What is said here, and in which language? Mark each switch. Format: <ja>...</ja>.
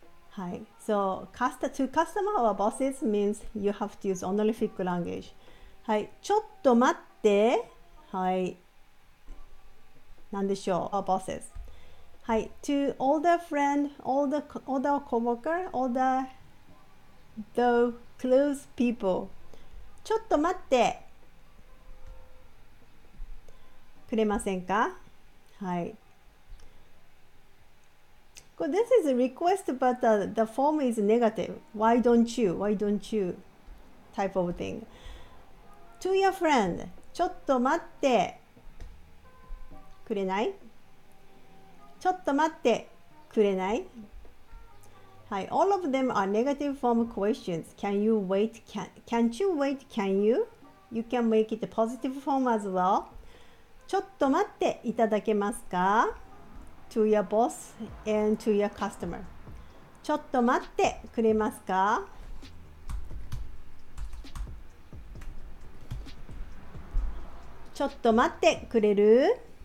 <en>はい、So, to customer or bosses means you have to use honorific language.</en> <ja>はい、ちょっと待って。はい。何でしょう。</ja> <en>Our bosses.</en> <ja>はい。</ja> <en>To older friend, older coworker, older though close people.</en> <ja>ちょっと待ってくれませんか。はい。</ja> <en>Well, this is a request, but the form is negative. Why don't you? Why don't you? Type of thing. To your friend.</en> <ja>ちょっと待ってくれない？ちょっと待ってくれない？</ja> <en>はい。All of them are negative form questions. Can you wait? Can't you wait? Can you? You can make it a positive form as well.</en> <ja>ちょっと待っていただけますか？</ja> <en>To your boss and to your customer.</en> <ja>ちょっと待ってくれますか？ちょっと待ってくれる？</ja>